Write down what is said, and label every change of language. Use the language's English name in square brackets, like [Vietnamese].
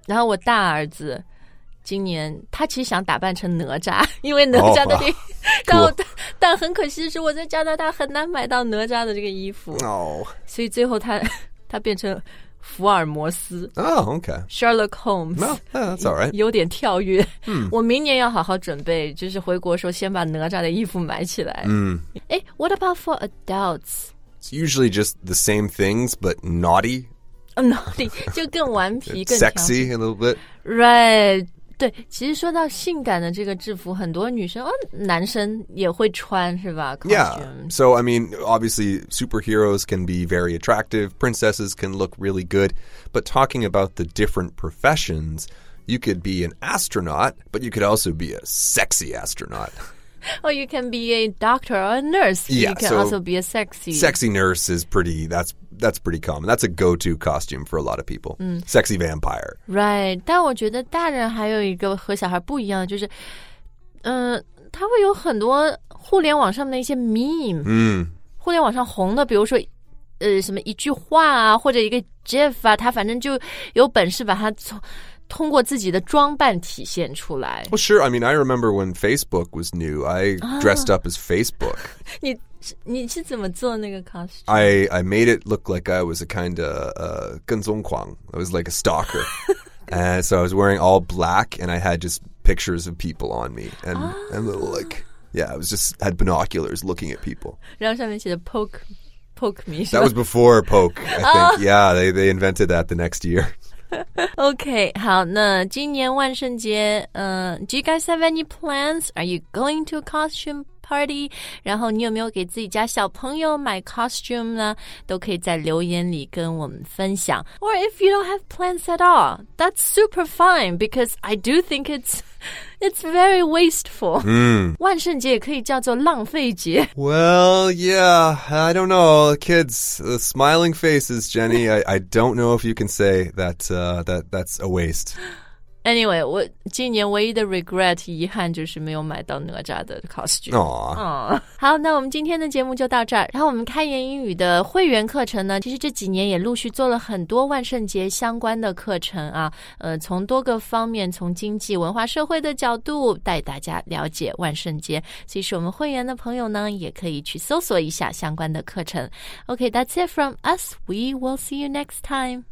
[Chinese] 然后我大儿子今年他其实想打扮成哪吒，因为哪吒的那但很可惜的是，我在加拿大很难买到哪吒的这个衣服。所以最后他变成福尔摩斯。 [English] Sherlock Holmes. No, that's all right. [Chinese] 有点跳跃。我明年要好好准备，就是回国时候先把哪吒的衣服买起来。 [English] What about for adults? It's usually just the same things, but naughty. [Chinese] Naughty, 就更顽皮，更 [English] sexy a little bit. Right. [Chinese] 对，其实说到性感的这个制服，很多女生哦，男生也会穿，是吧 costume. [English] Yeah, so I mean, obviously, superheroes can be very attractive, princesses can look really good, but talking about the different professions, you could be an astronaut, but you could also be a sexy astronaut. Or you can be a doctor or a nurse, yeah, you can also be a sexy. Sexy nurse is pretty, that's pretty common. That's a go-to costume for a lot of people. Sexy vampire. Right. [Chinese] 但我觉得大人还有一个和小孩不一样的就是他会有很多互联网上的一些 meme. 互联网上红的比如说什么一句话啊或者一个 gif 啊他反正就有本事把他通过自己的装扮体现出来。 [English] Well, sure. I mean, I remember when Facebook was new. I dressed up as Facebook. [Chinese] 你是怎么做那个 costume? [English] I made it look like I was a kind of [Chinese] 跟踪狂. [English] I was like a stalker. And so I was wearing all black and I had just pictures of people on me. And a little like, yeah, I was just had binoculars looking at people. [Chinese] 然后上面写的 [English] poke me. That was before poke, I think. Yeah, they invented that the next year. OK, [Chinese] 好那今年万圣节 [English] do you guys have any plans? Are you going to a costume party? [Chinese] 然后你有没有给自己家小朋友买 costume 呢都可以在留言里跟我们分享。 [English] Or if you don't have plans at all, that's super fine because I do think it's very wasteful. [Chinese] 万圣节也可以叫做浪费节。 [English] Well, yeah, I don't know. Kids, the smiling faces, Jenny, I don't know if you can say that's a waste. Anyway, [Chinese] 我今年唯一的 regret 遗憾就是没有买到哪吒的 costume. 哦，好，那我们今天的节目就到这儿。然后我们开言英语的会员课程呢，其实这几年也陆续做了很多万圣节相关的课程啊。从多个方面，从经济、文化、社会的角度带大家了解万圣节。所以是我们会员的朋友呢，也可以去搜索一下相关的课程。 [English] Okay, that's it from us. We will see you next time.